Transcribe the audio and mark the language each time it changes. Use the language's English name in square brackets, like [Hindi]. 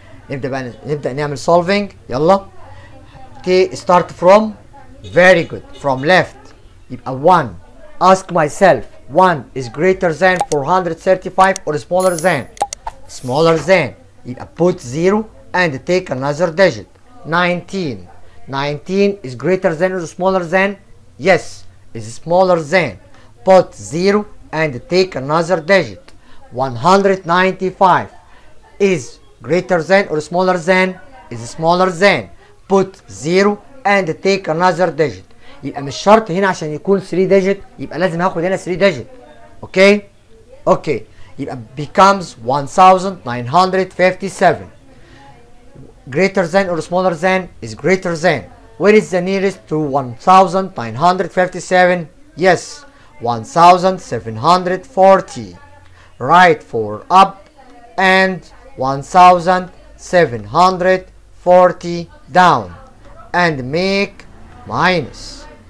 [Arabic] نبدأ نعمل solving. يلا [English] okay, start from very good from left. [Arabic] يبقى [English] 1 ask myself 1 is greater than 435 or smaller than. Smaller than [Arabic] يبقى [English] put 0 and take another digit. 19. 19 is greater than or smaller than. Yes is smaller than. Put 0 and take another digit. 195 is greater than or smaller than. Is smaller than. Put 0 and take another digit. [Arabic] يبقى مش شرط هنا عشان يكون 3 digit يبقى لازم هاخد هنا 3 digit. اوكي اوكي يبقى becomes 1957. [English] Greater than or smaller than. Is greater than. Where is the nearest to 1957? Yes, 1740. Right 4 up and 1740 down and make minus.